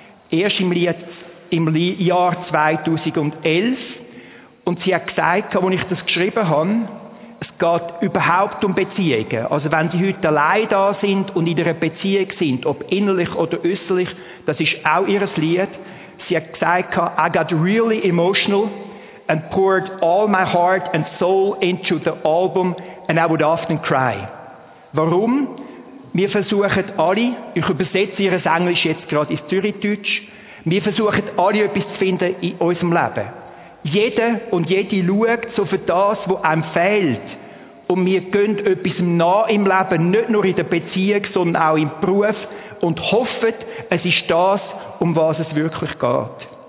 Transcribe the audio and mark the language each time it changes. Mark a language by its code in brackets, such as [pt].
[de] Erst im Jahr 2011. Und sie hat gesagt, als ich das geschrieben habe, es geht überhaupt um Beziehungen. Also wenn Sie heute allein da sind und in einer Beziehung sind, ob innerlich oder äußerlich, das ist auch ihr Lied. Sie hat gesagt, [en] I got really emotional and poured all my heart and soul into the album and I would often cry. [de] Warum? Wir versuchen alle, ich übersetze Ihr Englisch jetzt gerade ins Zürichdeutsch, wir versuchen alle etwas zu finden in unserem Leben. Jeder und jede schaut so für das, was einem fehlt. Und wir gehen etwas nah im Leben, nicht nur in der Beziehung, sondern auch im Beruf und hoffen, es ist das, um was es wirklich geht.